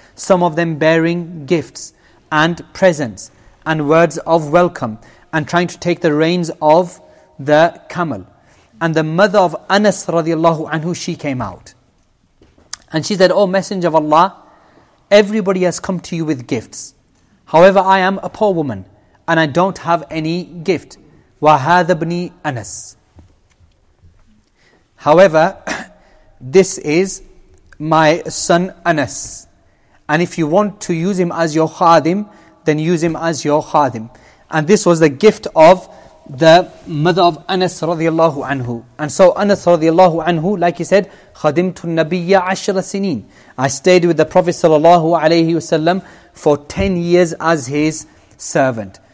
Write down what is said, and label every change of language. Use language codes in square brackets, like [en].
[en] Some of them bearing gifts and presents and words of welcome and trying to take the reins of the camel. And the mother of Anas radiallahu anhu, she came out. And she said, "Oh Messenger of Allah, everybody has come to you with gifts. However, I am a poor woman and I don't have any gift. [ar] وَهَذَا بْنِي Anas. [en] However, this is my son Anas. And if you want to use him as your khadim, then use him as your khadim." And this was the gift of the mother of Anas radiallahu anhu. And so Anas radiallahu anhu, like he said, [ar] خَدِمْتُ النَّبِيَّ عَشْرَ سِنِينَ, [en] I stayed with the Prophet sallallahu alayhi wasallam for 10 years as his servant.